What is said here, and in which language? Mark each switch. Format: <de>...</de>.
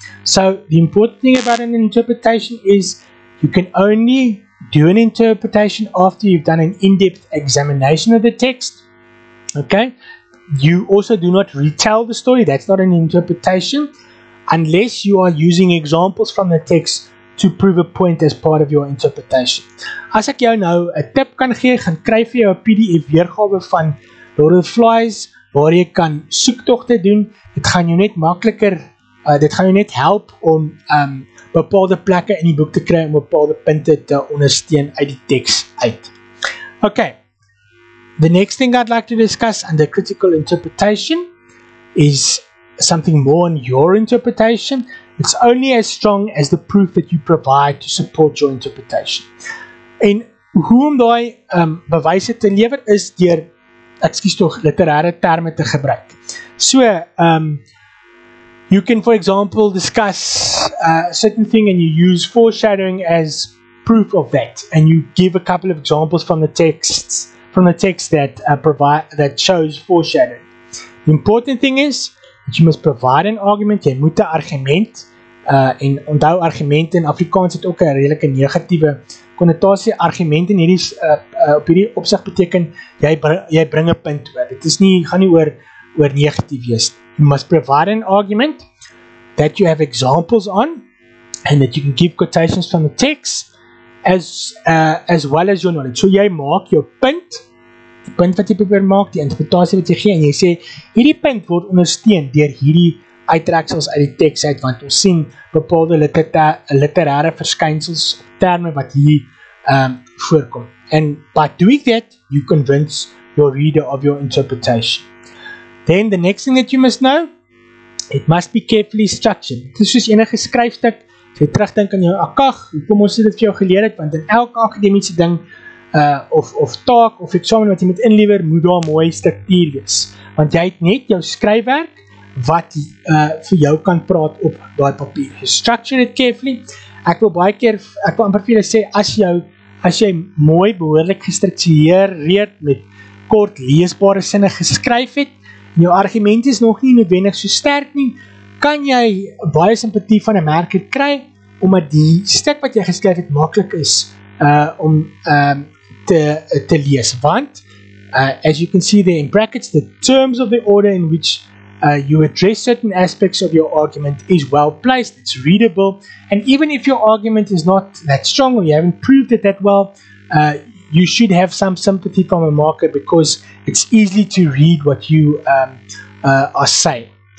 <en>So, the important thing about an interpretation is, you can only do an interpretation after you've done an in-depth examination of the text. Okay? You also do not retell the story, that's not an interpretation, unless you are using examples from the text to prove a point as part of your interpretation.</en> <af>As ek jou nou 'n tip kan gee, gaan kry vir jou 'n PDF-weergawe van Lord of the Flies, waar jy kan soektogte doen, dit gaan jou net makkeliker, dit gaan jou net help om bepaalde plekke in die boek te kry, om bepaalde punte te ondersteun uit die teks uit.</af> <en>Okay, the next thing I'd like to discuss under critical interpretation is something more on your interpretation. It's only as strong as the proof that you provide to support your interpretation.</en> <af>En hoe om daai bewyse te lewer is deur, ekskuus tog, literêre terme te gebruik.</af> <en>So, you can for example discuss a certain thing and you use foreshadowing as proof of that. And you give a couple of examples from the text that that shows foreshadowing. The important thing is that you must provide an argument.</en> <af>Jy moet 'n argument en onthou argumente in Afrikaans het ook 'n redelike negatiewe konnotasie. Argumente in hierdie op hierdie opsig beteken jy bring 'n punt oor. Dit is nie gaan nie oor negatief wees.</af> <en>You must provide an argument that you have examples on and that you can give quotations from the text as well as your knowledge.</en> <af>So jy maak jou punt, die punt wat jy probeer maak, die interpretasie wat jy gee en jy sê hierdie punt word ondersteun deur hierdie uittreksels uit die teks uit, want ons sien bepaalde literêre verskynsels, terme wat hier voorkom.</af> <en>And by doing that, you convince your reader of your interpretation. Then the next thing that you must know, it must be carefully structured.</en> <af>Dit is soos enige skryfstuk, jy terugdink aan jou akag, hoekom ons dit vir jou geleer het, want in elke akademiese ding, of taak, of eksamen wat jy moet inlewer, moet daar 'n mooi struktuur wees. Want jy het net jou skryfwerk, wat vir jou kan praat op daai papier.</af> <en>You structure it carefully.</en> <af>Ek wil amper vir julle sê, as jy mooi behoorlik gestruktureer reed met kort leesbare sinne geskryf het, en jou argument is nog nie noodwendig so sterk nie, kan jy baie simpatie van 'n merker kry, omdat die stuk wat jy geskryf het maklik is om te lees.</af> <en>Want, as you can see there in brackets, the terms of the order in which you address certain aspects of your argument is well placed, it's readable, and even if your argument is not that strong or you haven't proved it that well, you should have some sympathy from a marker because it's easy to read what you are saying.</en>